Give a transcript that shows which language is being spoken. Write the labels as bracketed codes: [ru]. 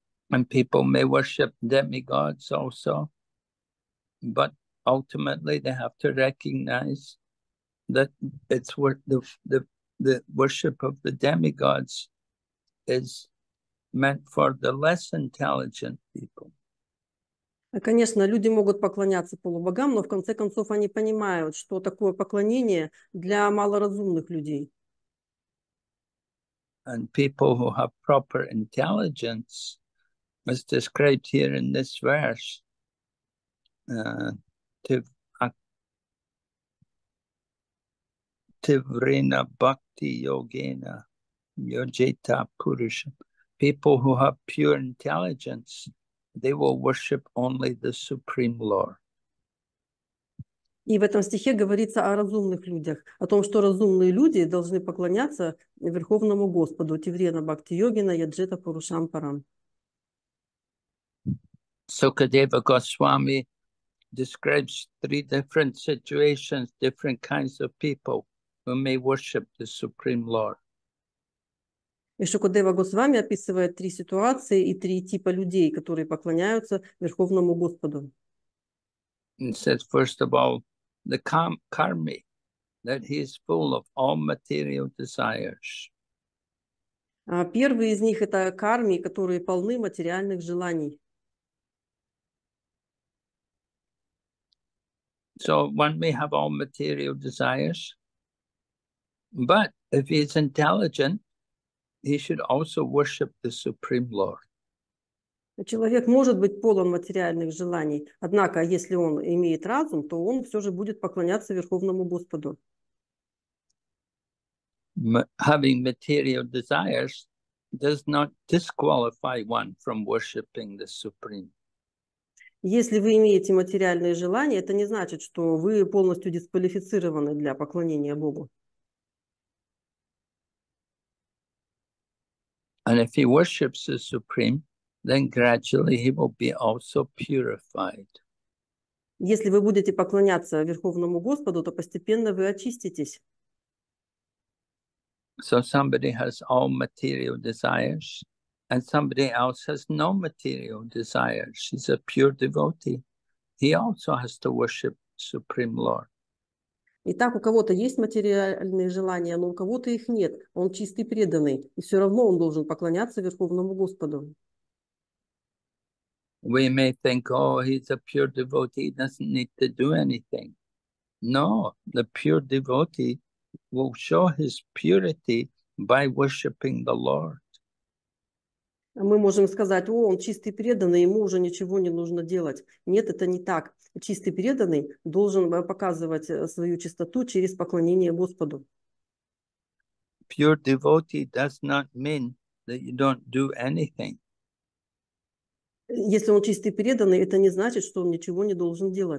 [en] And people may worship demigods also, but ultimately they have to recognize that it's worth the worship of the demigods is meant for the less intelligent people. [ru] Конечно, люди могут поклоняться полубогам, но в конце концов они понимают, что такое поклонение для малоразумных людей. [en] And people who have proper intelligence, as described here in this verse, [sa] tivrena bhakti yogena yojeta purusham. [en] People who have pure intelligence, they will worship only the Supreme Lord. [ru] И в этом стихе говорится о разумных людях, о том, что разумные люди должны поклоняться Верховному Господу, [sa] Тиврена Бхакти Йогина, Яджета Пурушам Парам. [en] Сукадева Госвами describes three different situations, different kinds of people who may worship the Supreme Lord. [ru] И Шукадева Госвами описывает три ситуации и три типа людей, которые поклоняются Верховному Господу. [en] It says, first of all, the karmi, that he is full of all material desires. [ru] Первый из них это карми, которые полны материальных желаний. [en] So one may have all material desires, but if he is intelligent, he should also worship the Supreme Lord. [ru] Человек может быть полон материальных желаний, однако, если он имеет разум, то он все же будет поклоняться Верховному Господу. [en] Having material desires does not disqualify one from worshiping the Supreme. [ru] Если вы имеете материальные желания, это не значит, что вы полностью дисквалифицированы для поклонения Богу. [en] And if he worships the Supreme, then gradually he will be also purified. [ru] Если вы будете поклоняться Верховному Господу, то постепенно вы очиститесь. [en] So somebody has all material desires, and somebody else has no material desires. He's a pure devotee. He also has to worship Supreme Lord. [ru] Итак, у кого-то есть материальные желания, но у кого-то их нет. Он чистый преданный, и все равно он должен поклоняться Верховному Господу. [en] We may think, oh, he's a pure devotee, he doesn't need to do anything. No, the pure devotee will show his purity by worshiping the Lord. [ru] Мы можем сказать, о, он чистый преданный, ему уже ничего не нужно делать. Нет, это не так. Чистый преданный должен показывать свою чистоту через поклонение Господу. [en] Pure devotee does not mean that you don't do anything. [ru] Если он чистый преданный, это не значит, что он ничего не должен